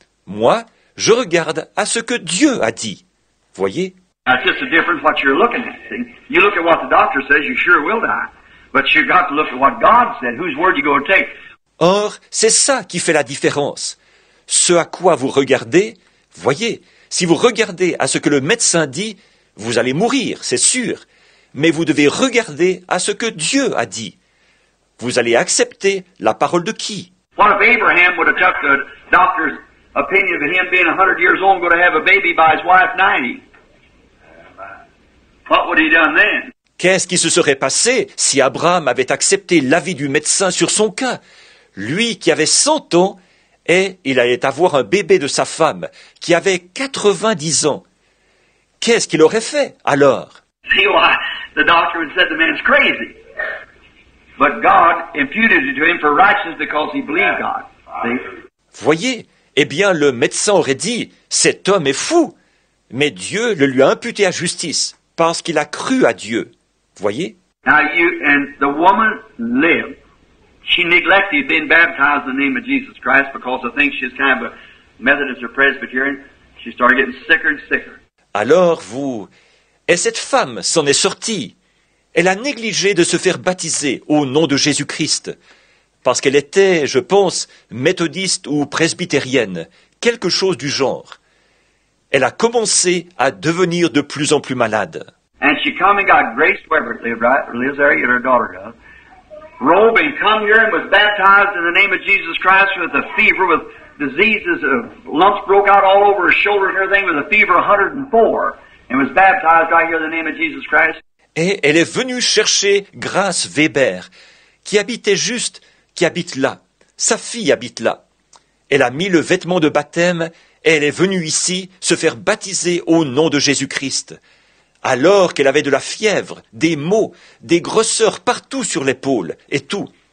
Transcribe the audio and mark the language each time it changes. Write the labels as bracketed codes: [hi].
[fr] Moi, je regarde à ce que Dieu a dit. Voyez? [en] That's just a difference what you're looking at. See? You look at what the doctor says, you sure will die. But you've got to look at what God said. Whose word you going to take? [fr] Or, c'est ça qui fait la différence. Ce à quoi vous regardez, voyez, si vous regardez à ce que le médecin dit, vous allez mourir, c'est sûr. Mais vous devez regarder à ce que Dieu a dit. Vous allez accepter la parole de qui? [en] What if Abraham would have took the doctor's opinion of him being 100 years old and going to have a baby by his wife 90? What would he done then? [fr] Qu'est-ce qui se serait passé si Abraham avait accepté l'avis du médecin sur son cas? Lui qui avait 100 ans et il allait avoir un bébé de sa femme qui avait 90 ans. Qu'est-ce qu'il aurait fait alors? [en] The doctor said the man's crazy. But God imputed it to him for righteousness because he believed God. See? [fr] Voyez, eh bien le médecin aurait dit, cet homme est fou, mais Dieu le lui a imputé à justice parce qu'il a cru à Dieu. Voyez? [en] Now you and the woman lived. She neglected being baptized in the name of Jesus Christ because I think she's kind of a Methodist or Presbyterian. She started getting sicker and sicker. [fr] Alors vous et cette femme s'en est sortie. Elle a négligé de se faire baptiser au nom de Jésus Christ parce qu'elle était, je pense, méthodiste ou presbytérienne, quelque chose du genre. Elle a commencé à devenir de plus en plus malade. [en] And she come and got Grace Weber lived right, lives there, and her daughter does. Robe and come here and was baptized in the name of Jesus Christ with a fever, with diseases of lumps broke out all over her shoulder and everything, with a fever 104, and was baptized right here in the name of Jesus Christ. [fr] Et elle est venue chercher Grace Weber, qui habitait juste, qui habite là. Sa fille habite là. Elle a mis le vêtement de baptême et elle est venue ici se faire baptiser au nom de Jésus Christ. Alors qu'elle avait de la fièvre, des maux, des grosseurs partout sur l'épaule et tout.